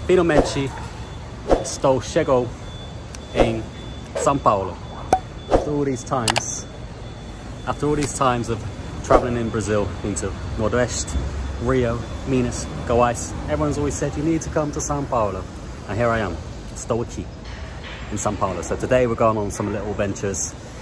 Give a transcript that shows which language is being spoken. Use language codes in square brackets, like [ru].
[pt] Finalmente, estou chegou em São Paulo. [en] After all these times of traveling in Brazil, into Nordeste, Rio, Minas, Goiás, everyone's always said you need to come to São Paulo. And here I am, [pt] estou aqui [en] in São Paulo. So today we're going on some little ventures.